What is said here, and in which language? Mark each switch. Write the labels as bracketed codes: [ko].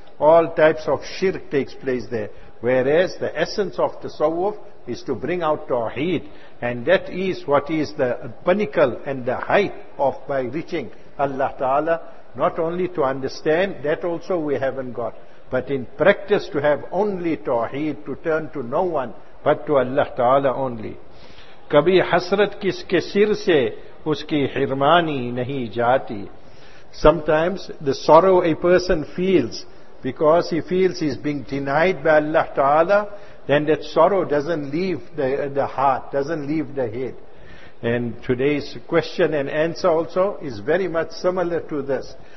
[en] All types of shirk takes place there. Whereas the essence of tasawwuf is to bring out tawheed. And that is what is the pinnacle and the height of by reaching Allah Ta'ala. Not only to understand, that also we haven't got. But in practice to have only tawheed, to turn to no one but to Allah Ta'ala only. [ur] کبھی حسرت کس کے سر سے اس کی حرمانی نہیں جاتی. [en] Sometimes the sorrow a person feels because he feels he is being denied by Allah Ta'ala, then that sorrow doesn't leave the heart, doesn't leave the head. And today's question and answer also is very much similar to this.